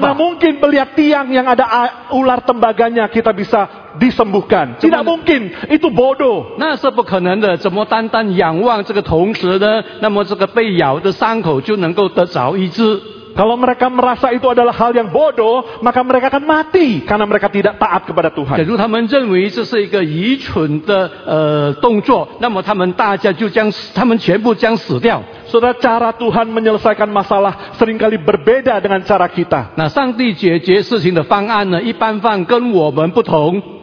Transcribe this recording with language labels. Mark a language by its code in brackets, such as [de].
[id] Mana mungkin melihat tiang yang ada ular tembaganya kita bisa disembuhkan. 怎么, tidak mungkin, itu bodoh. [zh] 那是不可能的，怎么单单仰望这个铜蛇呢？那么这个被咬的伤口就能够得着医治？ [id] Kalau mereka merasa itu adalah hal yang bodoh, maka mereka akan mati karena mereka tidak taat kepada Tuhan. [zh] 假如他们认为这是一个愚蠢的动作，那么他们大家就将他们全部将死掉。 [id] Saudara, cara Tuhan menyelesaikan masalah seringkali berbeda dengan cara kita. [zh] 那上帝解决事情的方案呢，一般方跟我们不同。